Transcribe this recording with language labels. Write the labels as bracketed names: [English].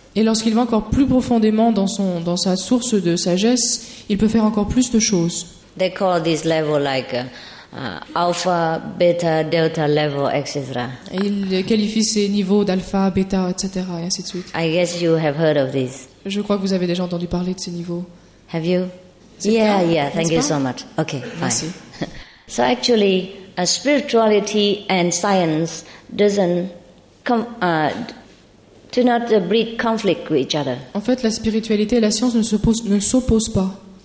[French] Et lorsqu'il va encore plus profondément dans sa source de sagesse, il peut faire encore plus de choses. [English] They call this level like alpha, beta, delta level, etc. [French] Et il qualifie ces niveaux d'alpha, beta, etc. et ainsi de suite. [English] I guess you have heard of this. [French] Je crois que vous avez déjà entendu parler de ces niveaux. [English] Have you? Thank you so much. Okay, [French] merci. [English] Fine. So actually, a spirituality and science doesn't breed conflict with each other. [French] En fait, la spiritualité et la science ne s'opposent pas.